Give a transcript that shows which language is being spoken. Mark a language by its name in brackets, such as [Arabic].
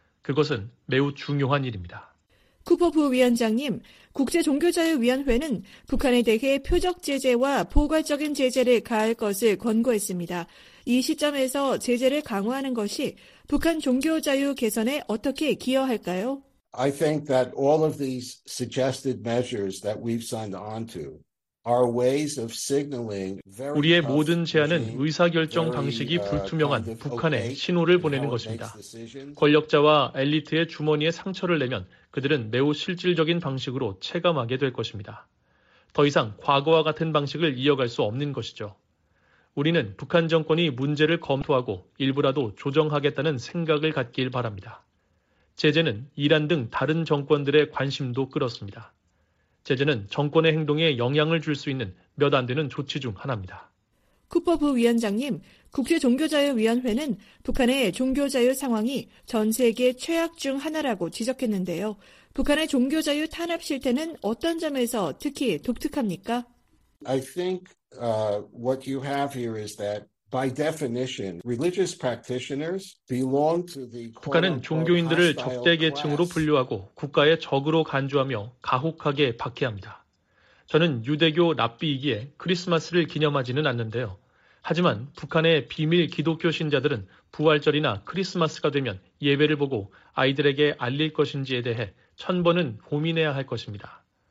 [Korean] 그것은 매우 중요한 일입니다. 쿠퍼 부위원장님, 국제종교자유위원회는 북한에 대해 표적 제재와 포괄적인 제재를 가할 것을 권고했습니다. 이 시점에서 제재를 강화하는 것이 북한 종교자유 개선에 어떻게 기여할까요? [English] I think that all of these suggested measures that we've signed on to are ways of signaling very [Korean] 우리의 모든 제안은 의사결정 방식이 불투명한 북한에 신호를 보내는 것입니다. 권력자와 엘리트의 주머니에 상처를 내면 그들은 매우 실질적인 방식으로 체감하게 될 것입니다. 더 이상 과거와 같은 방식을 이어갈 수 없는 것이죠. 우리는 북한 정권이 문제를 검토하고 일부라도 조정하겠다는 생각을 갖길 바랍니다. 제재는 이란 등 다른 정권들의 관심도 끌었습니다. 제재는 정권의 행동에 영향을 줄 수 있는 몇 안 되는 조치 중 하나입니다. 쿠퍼 부위원장님, 국제종교자유위원회는 북한의 종교자유 상황이 전 세계 최악 중 하나라고 지적했는데요. 북한의 종교자유 탄압 실태는 어떤 점에서 특히 독특합니까? [English] I think what you have here is that by definition, religious practitioners belong to the [Korean] 북한은 종교인들을 적대 계층으로 분류하고 국가의 적으로 간주하며 가혹하게 박해합니다. 저는 유대교 랍비이기에 크리스마스를 기념하지는 않는데요. 하지만 북한의 비밀 기독교 신자들은 부활절이나 크리스마스가 되면 예배를 보고 아이들에게 알릴 것인지에 대해 천 번은 고민해야 할 것입니다.